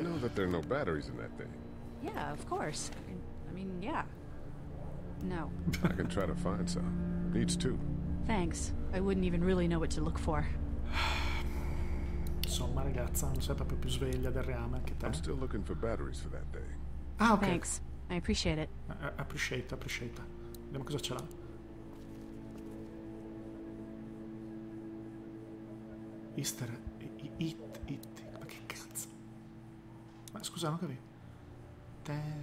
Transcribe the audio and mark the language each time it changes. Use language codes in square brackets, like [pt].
[en] You know that there are no batteries in that thing. Yeah, of course. I mean, yeah. No. I can try to find some. Needs two. Thanks. I wouldn't even really know what to look for. [it] Insomma, ragazza, non sei proprio più sveglia del reame anche te. [en] I'm still looking for batteries for that thing. Ah, okay. Thanks. I appreciate it. Appreciate. [it] Vediamo cosa ce l'ha. [en] Easter. It. [it] Ma che cazzo? Ma scusa, non capito. Tag.